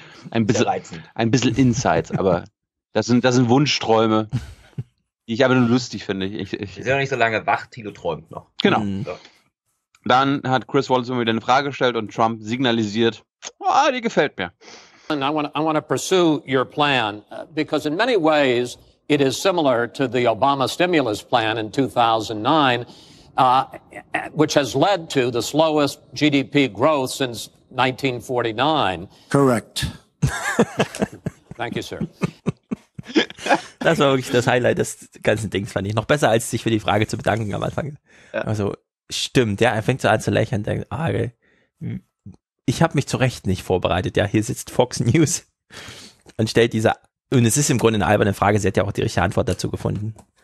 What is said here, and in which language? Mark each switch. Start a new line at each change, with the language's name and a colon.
German: Ein bisschen Insights, aber das sind Wunschträume, die ich aber nur lustig finde. Wir sind noch nicht so lange wach, Tilo träumt noch. Genau. Mhm. Dann hat Chris Wallace wieder eine Frage gestellt und Trump signalisiert, oh, die gefällt mir.
English: I want to pursue your plan, because in many ways it is similar to the Obama stimulus plan in 2009, which has led to the slowest GDP growth since 1949. Correct. Thank you, sir.
German: Das war wirklich das Highlight des ganzen Dings, fand ich. Noch besser, als sich für die Frage zu bedanken am Anfang. Ja. Also, stimmt, ja, er fängt so an zu lächeln und denkt, ah, ich habe mich zu Recht nicht vorbereitet. Ja, hier sitzt Fox News und stellt diese, und es ist im Grunde eine alberne Frage, sie hat ja auch die richtige Antwort dazu gefunden.